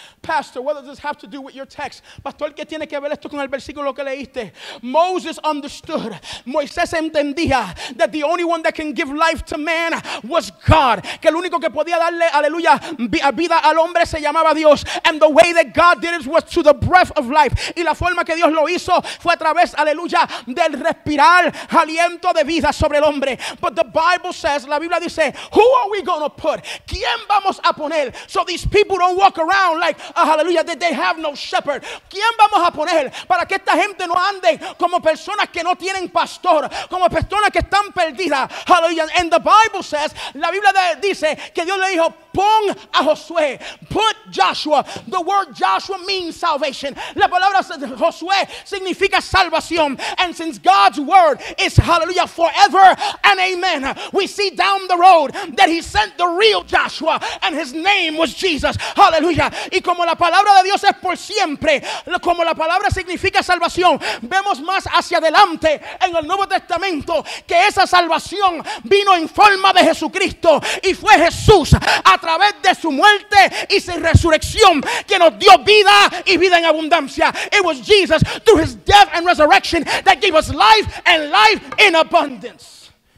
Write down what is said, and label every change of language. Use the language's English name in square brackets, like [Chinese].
[English] Pastor, what does this have to do with your text? [Spanish] Pastor, ¿qué tiene que ver esto con el versículo que leíste? [English] Moses understood. [Spanish] Moisés entendía [English] that the only one that can give life to man was God. [Spanish] Que el único que podía darle, aleluya, vida al hombre se llamaba Dios. [English] And the way that God did it was to the breath of life. [Spanish] Y la forma que Dios lo hizo fue a través, aleluya, del respirar aliento de vida sobre el hombre. [English] But the Bible says, [Spanish] la Biblia dice, [English] who are we going to put? [Spanish] ¿Quién vamos a poner? [English] So these people don't walk around like, hallelujah, that they have no shepherd. [Spanish] ¿Quién vamos a poner para que esta gente no ande como personas que no tienen pastor, como personas que están perdidas? Hallelujah. [English] And the Bible says, [Spanish] la Biblia dice que Dios le dijo, pon a Josué, [English] put Joshua. The word Joshua means salvation. [Spanish] La palabra Josué significa salvación. [English] And since God's word is, hallelujah, forever and amen, we see down the road that he sent the real Joshua, and his name was Jesus. Hallelujah. [Spanish] Y como la palabra de Dios es por siempre, como la palabra significa salvación, vemos más hacia adelante en el Nuevo Testamento que esa salvación vino en forma de Jesucristo, y fue Jesús a través de su muerte y su resurrección que nos dio vida y vida en abundancia. [English] It was Jesus through his death and resurrection that gave us life and life in abundance.